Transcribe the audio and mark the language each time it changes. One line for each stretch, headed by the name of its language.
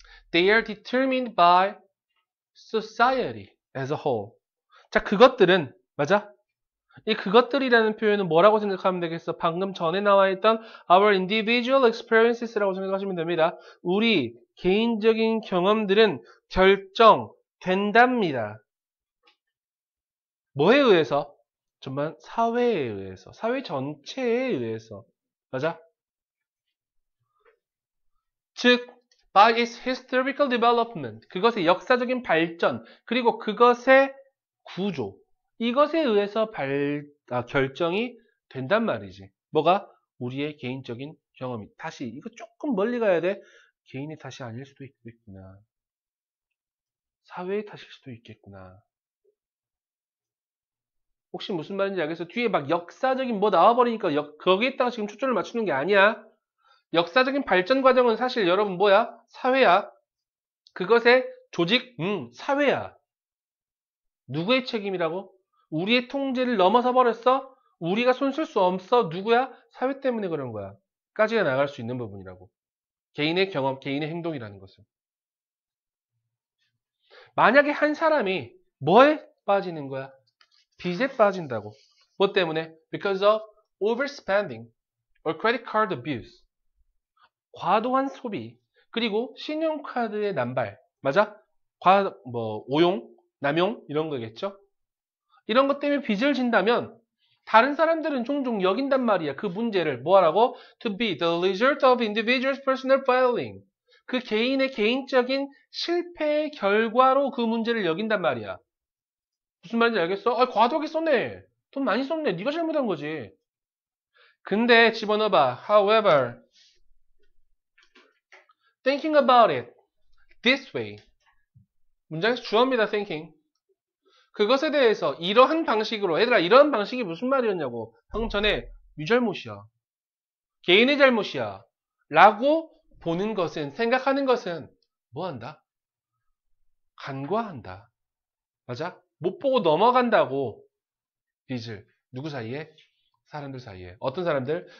English: They are determined by society as a whole.
Korean: 자, 그것들은, 맞아? 이 그것들이라는 표현은 뭐라고 생각하면 되겠어? 방금 전에 나와 있던
English: our individual experiences
Korean: 라고 생각하시면 됩니다. 우리 개인적인 경험들은 결정된답니다. 뭐에 의해서? 정말 사회에 의해서. 사회 전체에 의해서. 맞아?
English: 즉, by its historical development.
Korean: 그것의 역사적인 발전. 그리고 그것의 구조. 이것에 의해서 결정이 된단 말이지. 뭐가? 우리의 개인적인 경험이. 다시, 이거 조금 멀리 가야 돼. 개인의 탓이 아닐 수도 있겠구나. 사회의 탓일 수도 있겠구나. 혹시 무슨 말인지 알겠어? 뒤에 막 역사적인 뭐 나와버리니까 거기에 따라 지금 초점을 맞추는 게 아니야. 역사적인 발전 과정은 사실 여러분 뭐야? 사회야. 그것의 조직? 사회야. 누구의 책임이라고? 우리의 통제를 넘어서 버렸어? 우리가 손쓸수 없어? 누구야? 사회 때문에 그런 거야. 까지가 나갈 수 있는 부분이라고. 개인의 경험, 개인의 행동이라는 것은. 만약에 한 사람이 뭐에 빠지는 거야? 빚에 빠진다고. 뭐 때문에?
English: Because of overspending or credit card abuse.
Korean: 과도한 소비. 그리고 신용카드의 남발. 맞아? 오용, 남용 이런 거겠죠? 이런 것 때문에 빚을 진다면 다른 사람들은 종종 여긴단 말이야. 그 문제를 뭐하라고?
English: To be the result of individual's personal failing.
Korean: 그 개인의 개인적인 실패의 결과로 그 문제를 여긴단 말이야. 무슨 말인지 알겠어? 아, 과도하게 썼네. 돈 많이 썼네. 네가 잘못한 거지. 근데 집어넣어봐.
English: However, thinking about it this way.
Korean: 문장에서 주어입니다. thinking. 그것에 대해서 이러한 방식으로, 얘들아, 이러한 방식이 무슨 말이었냐고. 방금 전에 네 잘못이야. 개인의 잘못이야. 라고 보는 것은, 생각하는 것은 뭐 한다? 간과한다. 맞아? 못 보고 넘어간다고. 빚을. 누구 사이에? 사람들 사이에. 어떤 사람들?